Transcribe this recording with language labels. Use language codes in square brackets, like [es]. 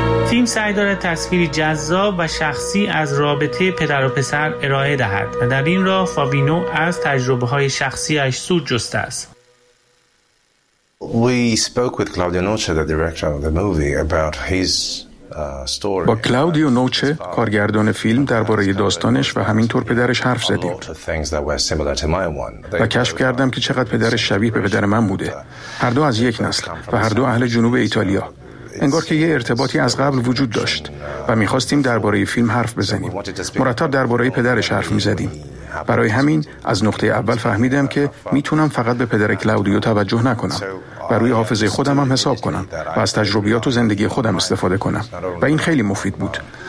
[fa] تیم سعی دارد تصویری جذاب و شخصی از رابطه پدر و پسر ارائه دهد و در این راه فابینو از تجربه های شخصیش سود جسته است. [en] We spoke with Claudio Noce, the director of the movie, about his story. [fa] با کلاودیو نوچه، کارگردان فیلم، درباره داستانش و همینطور پدرش حرف زدیم. و کشف کردم که چقدر پدرش شبیه به پدر من بوده. هر دو از یک نسل و هر دو اهل جنوب ایتالیا. انگار که یه ارتباطی از قبل وجود داشت و می‌خواستیم درباره فیلم حرف بزنیم. مرتب درباره پدرش حرف می‌زدیم. برای همین از نقطه اول فهمیدم که میتونم فقط به پدر کلاودیو توجه نکنم و روی حافظه خودم هم حساب کنم و از تجربیات و زندگی خودم استفاده کنم و این خیلی مفید بود.